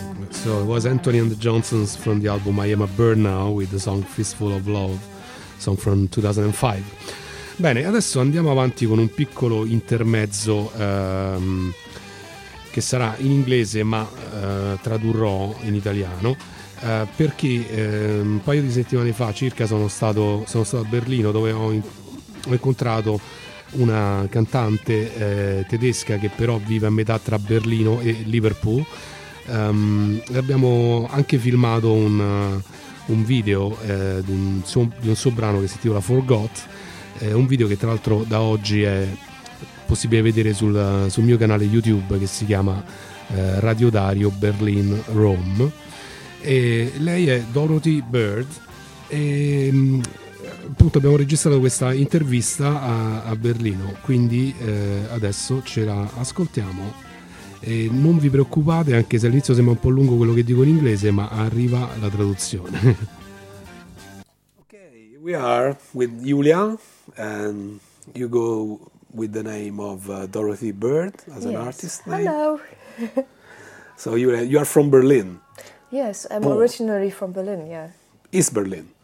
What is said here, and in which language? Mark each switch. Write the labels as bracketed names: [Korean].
[English] So it was Anthony and the Johnsons from the album I Am a Bird Now with the song Fistful of Love, song from 2005. [Italian] Bene, adesso andiamo avanti con un piccolo intermezzo che sarà in inglese, ma tradurrò in italiano, perché un paio di settimane fa circa sono stato a Berlino, dove ho incontrato una cantante tedesca che però vive a metà tra Berlino e Liverpool. Abbiamo anche filmato un video di un suo brano che si intitola Forgot, un video che tra l'altro da oggi è possibile vedere sul mio canale YouTube, che si chiama Radio Dario Berlin Rome. E lei è Dorothy Byrd e appunto abbiamo registrato questa intervista a Berlino, quindi adesso ce la ascoltiamo. E non vi preoccupate, anche se all'inizio sembra un po' lungo quello che dico in inglese, ma arriva la traduzione. [English] Ok, we are with Julia and you go with the name of Dorothy Byrd as an artist name. Hello. So you are from Berlin. Yes, I'm Born. Originally from Berlin, yeah. East Berlin.